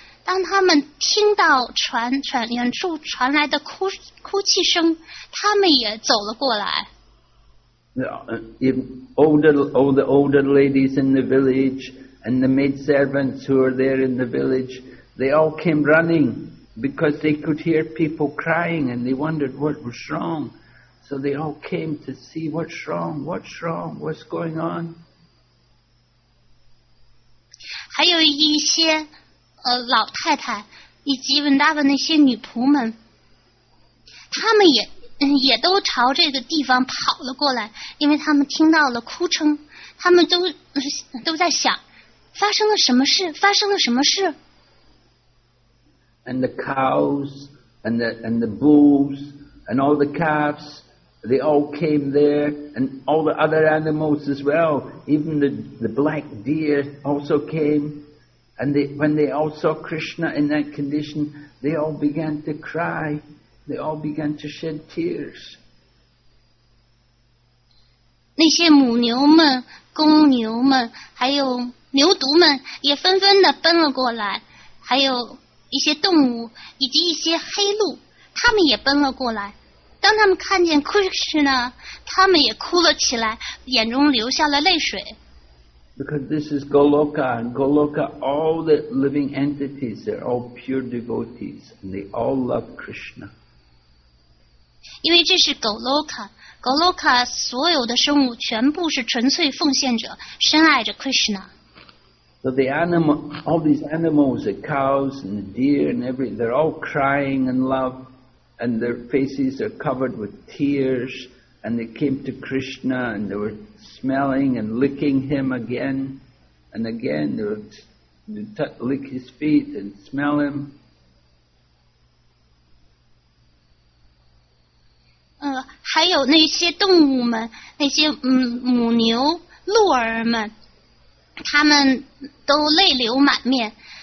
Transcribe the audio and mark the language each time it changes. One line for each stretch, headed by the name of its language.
Chinese: 当他们听到远处传来的哭泣声，他们也走了过来。
English: The older ladies in the village and the maid servants who are there in the village, they all came running because they could hear people crying and they wondered what was wrong. So they all came to see what's wrong, what's going on.
Chinese: 还有一些老太太以及文达文那些女仆们，他们也都朝这个地方跑了过来，因为他们听到了哭声，他们都在想发生了什么事。
English: And the cows and the bulls and all the calves, they all came there, and all the other animals as well, even the black deer also came. And when they all saw Krishna in that condition, they all began to cry. They all began to shed tears.
Chinese: 那些母牛们、公牛们，还有牛犊们，也纷纷地奔了过来。还有一些动物，以及一些黑鹿，他们也奔了过来。当他们看见 Krishna, 他们也哭了起来，眼中流下了泪水。
English: Because this is Goloka, and Goloka, all the living entities, they're all pure devotees, and they all love Krishna.
Chinese: 因为这是 Goloka 所有的生物全部是纯粹奉献者，深爱着 Krishna.
English: So the animal, all these animals, the cows and the deer and everything, they're all crying in love, and their faces are covered with tears. And they came to Krishna and they were smelling and licking him again and again. They would lick his feet and smell him.
Chinese: 还有那些动物们，那些母牛、鹿儿们，他们都泪流满面。